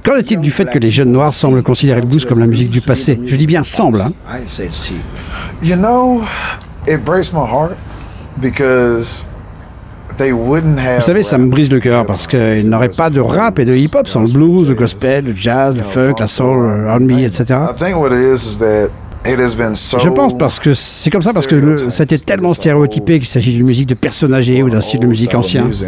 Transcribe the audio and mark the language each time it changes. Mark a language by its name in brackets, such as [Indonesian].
[French] qu'en est-il du fait que les jeunes noirs semblent considérer le blues comme la musique du passé? Je dis bien semble. Hein. [English] I say see. You know, it breaks my heart because they wouldn't have. [French] Vous savez, ça me brise le cœur parce qu'ils n'auraient pas de rap et de hip-hop sans le blues, le gospel, le jazz, le funk, la soul, R&B, etc. [English] I think what it is that. [French] Je pense parce que c'est comme ça, parce que ça a été tellement stéréotypé qu'il s'agit d'une musique de personnes âgées ou d'un style de musique ancien.